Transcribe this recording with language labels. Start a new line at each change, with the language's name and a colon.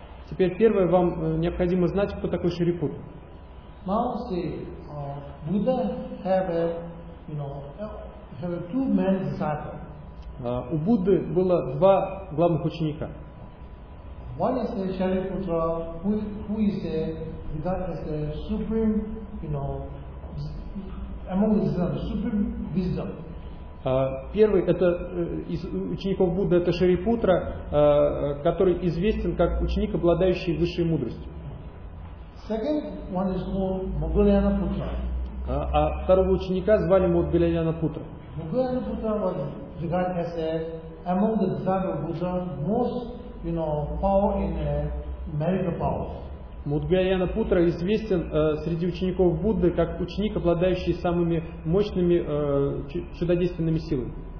Russian: Теперь первое, вам необходимо знать, кто такой Шарипутра.
English: Now say, Buddha have a, you know, have two main disciples.
Russian: У Будды было два главных ученика.
English: One is Shariputra, who is a regarded as a supreme, you know, among the disciples, supreme wisdom.
Russian: Первый это из учеников Будды это Шарипутра, который известен как ученик, обладающий высшей мудростью.
English: Second one is called Moggallana Putra.
Russian: А второго ученика звали Moggallana Putra.
English: Moggallana Putra was regarded as a among the disciples of Buddha most, you know, power in a medical power.
Russian: Moggallana Putra известен среди учеников Будды как ученик, обладающий самыми мощными чудодейственными силами.